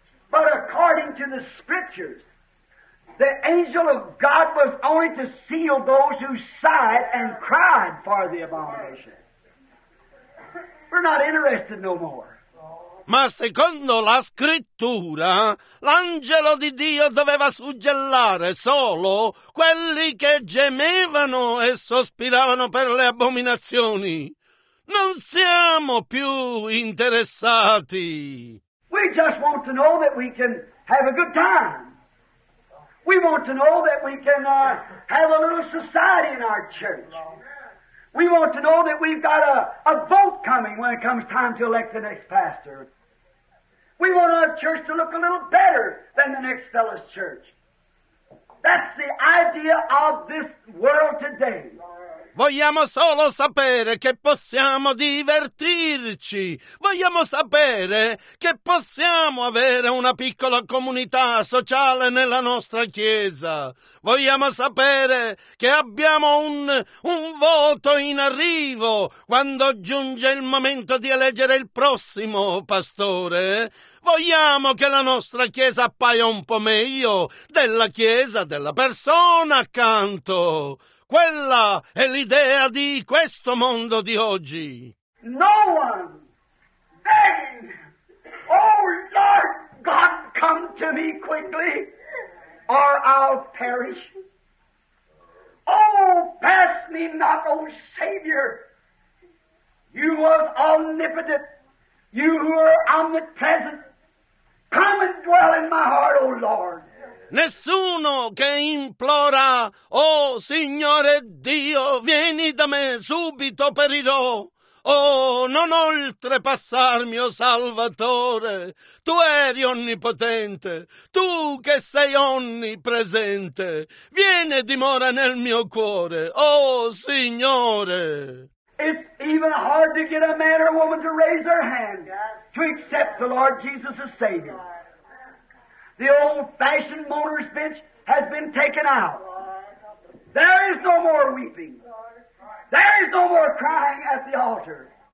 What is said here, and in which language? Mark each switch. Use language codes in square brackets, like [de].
[en] But according to the scriptures, the angel of God was only to seal those who sighed and cried for the abomination. We're not interested no more. [it] Ma secondo la scrittura, l'angelo di Dio doveva suggellare solo quelli che gemevano e sospiravano per le abominazioni. Non siamo più interessati. [en] We just want to know that we can have a good time. We want to know that we can have a little society in our church. We want to know that we've got a vote coming when it comes time to elect the next pastor. We want our church to look a little better than the next fellow's church. That's the idea of this world today. [it] Vogliamo solo sapere che possiamo divertirci. Vogliamo sapere che possiamo avere una piccola comunità sociale nella nostra chiesa. Vogliamo sapere che abbiamo un voto in arrivo quando giunge il momento di eleggere il prossimo pastore. Vogliamo che la nostra chiesa appaia un po' meglio della chiesa della persona accanto. Quella è l'idea di questo mondo di oggi. [en] No one begging, oh Lord God, come to me quickly, or I'll perish. Oh, pass me not, O Savior. You who are omnipotent, you who are omnipresent, come and dwell in my heart, O Lord. [it] Nessuno che implora, oh Signore Dio, vieni da me, subito perirò. Oh, non oltrepassarmi, oh Salvatore. Tu eri onnipotente, tu che sei onnipresente. Vieni e dimora nel mio cuore, oh Signore. [en] It's even hard to get a man or woman to raise their hand to accept the Lord Jesus as Savior. The old-fashioned mourner's bench has been taken out. There is no more weeping. There is no more crying at the altar.